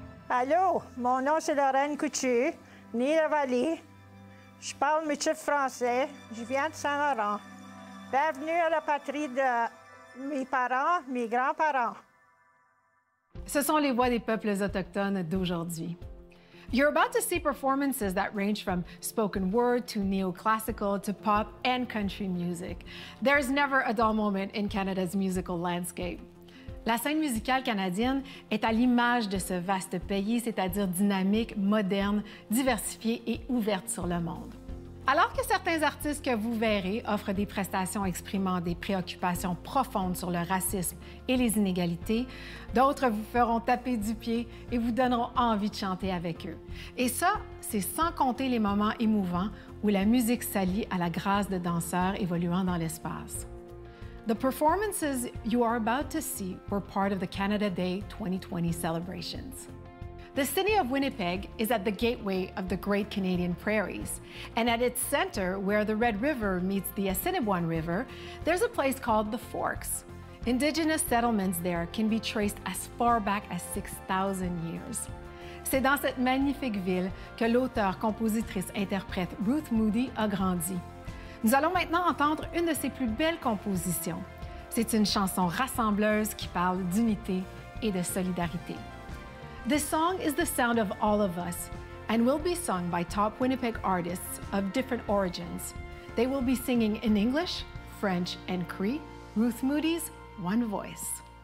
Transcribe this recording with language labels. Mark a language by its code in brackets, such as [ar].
[fr] Allo, mon nom c'est Lorraine Couture, née à Vali. Je parle Michif français, je viens de Saint-Laurent. Bienvenue à la patrie de mes parents, mes grands-parents. Ce sont les voix des peuples autochtones d'aujourd'hui. [en] You're about to see performances that range from spoken word to neoclassical to pop and country music. There's never a dull moment in Canada's musical landscape. [fr] La scène musicale canadienne est à l'image de ce vaste pays, c'est-à-dire dynamique, moderne, diversifiée et ouverte sur le monde. Alors que certains artistes que vous verrez offrent des prestations exprimant des préoccupations profondes sur le racisme et les inégalités, d'autres vous feront taper du pied et vous donneront envie de chanter avec eux. Et ça, c'est sans compter les moments émouvants où la musique s'allie à la grâce de danseurs évoluant dans l'espace. [en] The performances you are about to see were part of the Canada Day 2020 celebrations. The city of Winnipeg is at the gateway of the Great Canadian Prairies, and at its center, where the Red River meets the Assiniboine River, there's a place called the Forks. Indigenous settlements there can be traced as far back as 6,000 years. [fr] C'est dans cette magnifique ville que l'auteur, compositrice, interprète Ruth Moody a grandi. Nous allons maintenant entendre une de ses plus belles compositions. C'est une chanson rassembleuse qui parle d'unité et de solidarité. [en] This song is the sound of all of us and will be sung by top Winnipeg artists of different origins. They will be singing in English, French, and Cree, Ruth Moody's One Voice.